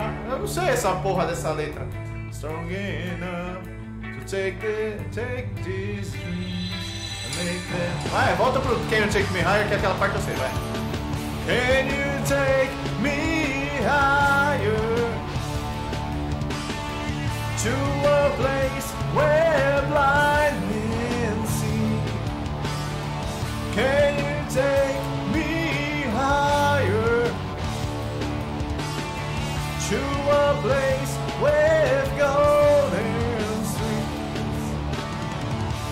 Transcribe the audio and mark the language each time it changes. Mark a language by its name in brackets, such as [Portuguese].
[Portuguese] Eu não sei essa porra dessa letra. [English] Strong enough to take these dreams and make them. [Portuguese] Vai, volta pro Can You Take Me Higher, que é aquela parte que eu sei, vai. [English] Can you take me higher to a place where blind men see? Can you take me higher to a place with golden streets?